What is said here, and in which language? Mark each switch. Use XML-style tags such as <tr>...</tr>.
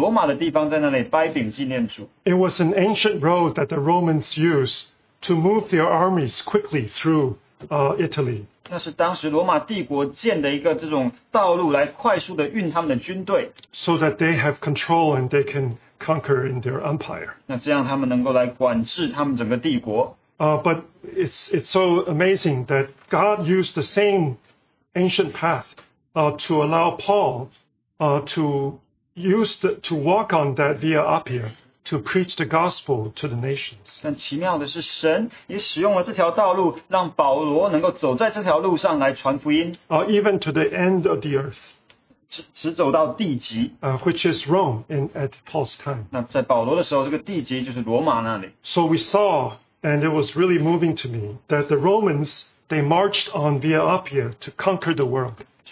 <zh>我们就在这条大道靠近罗马的地方，在那里掰饼纪念主。</zh> <en>It was an ancient road that the Romans used to move their armies quickly through Italy.</en> <zh>那是当时罗马帝国建的一个这种道路，来快速的运他们的军队。</zh> <en>So that they have control and they can conquer in their empire.</en> <zh>那这样他们能够来管制他们整个帝国。</zh> <en>But it's so amazing that God used the same ancient path to allow Paul to walk on that Via Appia to preach the gospel to the nations.</en> <zh>但奇妙的是神也使用了这条道路让保罗能够走在这条路上来传福音。</zh> <en>Even to the end of the earth.</en> <zh>直走到地极。</zh> <en>Which is Rome at Paul's time.</en> <zh>那在保罗的时候，这个地极就是罗马那里。</zh> <en>So we saw, and it was really moving to me, that the Romans, they marched on Via Appia to conquer the world.</en>